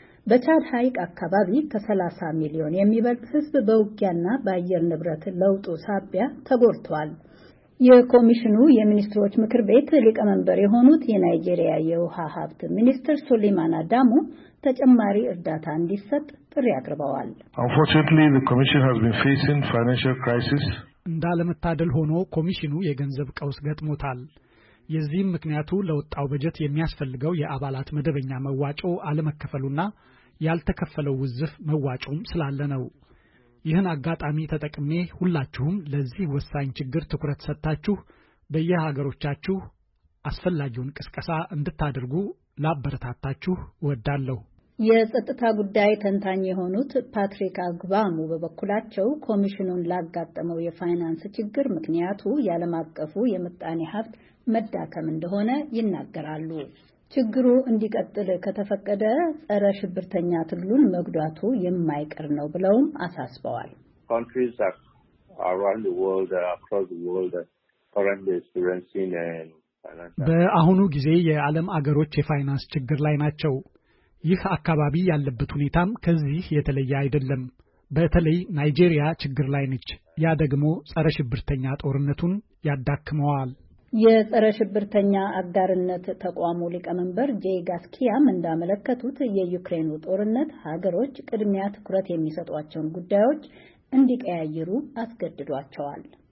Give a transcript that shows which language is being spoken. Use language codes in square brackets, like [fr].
[am] በቻድ ሀይቅ አካባቢ ከ30 ሚሊዮን የሚበልጥ ህዝብ በውጊያና በአየር ንብረት ለውጡ ሳቢያ ተጎድቷል። የኮሚሽኑ የሚኒስትሮች ምክር ቤት ሊቀመንበር የሆኑት የናይጄሪያ የውሃ ሀብት ሚኒስትር ሱሊማን አዳሙ ተጨማሪ እርዳታ እንዲሰጥ ጥሪ አቅርበዋል። [en] Unfortunately, the commission has been facing financial crisis. [am] እንዳለመታደል ሆኖ ኮሚሽኑ የገንዘብ ቀውስ ገጥሞታል። የዚህ ምክንያቱ ለውጣው በጀት የሚያስፈልገው የአባላት መደበኛ መዋጮ አለመከፈሉና ያልተከፈለው ውዝፍ መዋጮም ስላለ ነው። ይህን አጋጣሚ ተጠቅሜ ሁላችሁም ለዚህ ወሳኝ ችግር ትኩረት ሰጣችሁ በየሀገሮቻችሁ አስፈላጊውን ቅስቀሳ እንድታደርጉ ላበረታታችሁ ወዳለሁ። የጸጥታ ጉዳይ ተንታኝ የሆኑት ፓትሪክ አግባሙ በበኩላቸው ኮሚሽኑን ላጋጠመው የፋይናንስ ችግር ምክንያቱ ያለም አቀፉ የምጣኔ ሀብት መዳከም እንደሆነ ይናገራሉ። ችግሩ እንዲቀጥል ከተፈቀደ ጸረ ሽብርተኛ ትግሉን መጓዳቱ የማይቀር ነው ብለውም አሳስበዋል። [en] Countries around the world across the world currently experiencing [am] በአሁኑ ጊዜ የዓለም አገሮች የፋይናንስ ችግር ላይ ናቸው። ይህ አካባቢ ያለበት ሁኔታም ከዚህ የተለየ አይደለም። በተለይ ናይጄሪያ ችግር ላይ ነች። ያ ደግሞ ጸረ ሽብርተኛ ጦርነቱን ያዳክመዋል። የጸረ ሽብርተኛ አጋርነት ተቋሙ ሊቀመንበር ጄጋስኪያም እንዳመለከቱት የዩክሬኑ ጦርነት ሀገሮች ቅድሚያ ትኩረት የሚሰጧቸውን ጉዳዮች እንዲቀያይሩ አስገድዷቸዋል።